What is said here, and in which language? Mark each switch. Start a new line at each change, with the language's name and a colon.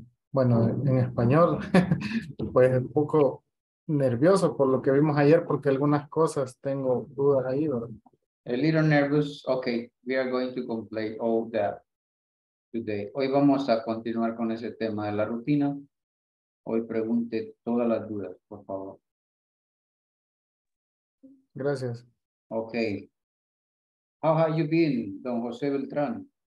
Spanish: Bueno, en español, pues un poco nervioso por lo que vimos ayer, porque algunas cosas tengo dudas ahí, ¿verdad?
English: A little nervous. Okay, we are going to complete all that today.
Spanish: Hoy vamos a continuar con ese tema de la rutina. Hoy pregunte todas las dudas, por favor. Gracias.
English: Okay. How have you been, Don Jose Beltran?